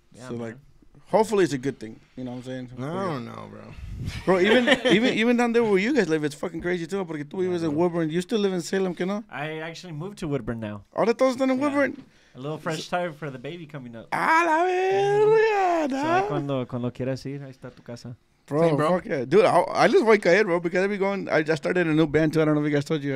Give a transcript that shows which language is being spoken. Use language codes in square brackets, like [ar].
[en] Yeah, so, man. Like, hopefully it's a good thing. You know what I'm saying? I don't know, bro. Bro, even down there where you guys live, it's fucking crazy, too. [es] Porque tú vives en Woodburn. [en] You still live in Salem, you know? I actually moved to Woodburn now. All the thoughts done in Woodburn? A little fresh tire for the baby coming up. [es] A la verga, no. So, cuando quieras ir, ahí está tu casa. [en] Bro, same, bro. Fuck yeah. Dude, I just want to cut it, bro, because I just started a new band, too. I don't know if you guys told you.